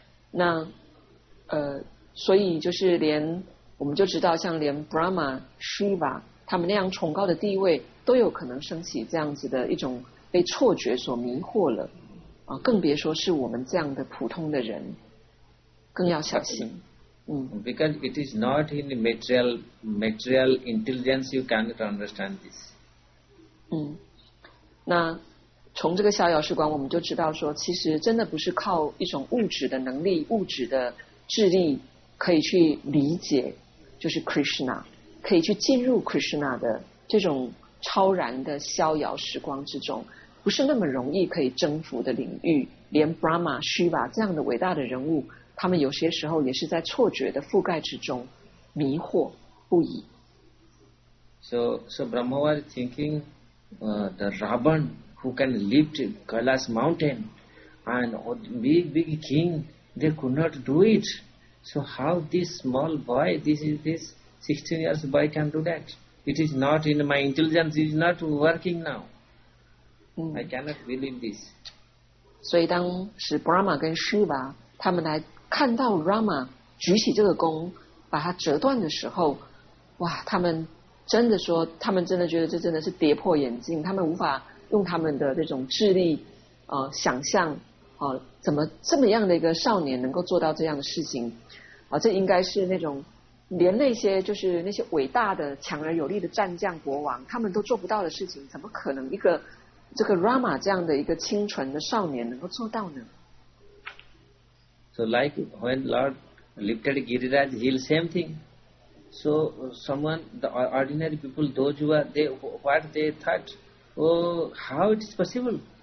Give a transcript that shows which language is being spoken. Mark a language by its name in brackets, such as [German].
[Chinese] 那所以就是连我们就知道，像连 Brahma Shiva 他们那样崇高的地位，都有可能升起这样子的一种被错觉所迷惑了啊，更别说是我们这样的普通的人，更要小心。 [English] Because it is not in material intelligence you cannot understand this. [Chinese] 那从这个逍遥时光，我们就知道说，其实真的不是靠一种物质的能力、物质的智力可以去理解，就是 Krishna， 可以去进入 Krishna 的这种超然的逍遥时光之中，不是那么容易可以征服的领域。连 Brahma、Shiva 这样的伟大的人物，他们有些时候也是在错觉的覆盖之中迷惑不已。 [English] So Brahma was thinking, the Ravan. Who can lift Kailas mountain, and big king, they could not do it. So how this small boy, this 16 years boy can do that? It is not in my intelligence, it is not working now. I cannot believe this. [Chinese] 所以当时 Brahma 跟 Shiva 他们来看到 Rama 举起这个弓把它折断的时候，哇，他们真的说，他们真的觉得这真的是跌破眼镜，他们无法用他们的这种智力想象怎么这么样的一个少年能够做到这样的事情这应该是那种连那些就是那些伟大的强而有力的战将国王他们都做不到的事情，怎么可能一个这个 Rama 这样的一个清纯的少年能够做到呢？ [English] So like when Lord lifted Giriraj hill, same thing. So someone, the ordinary people, those who are, what they thought, oh, how it is possible?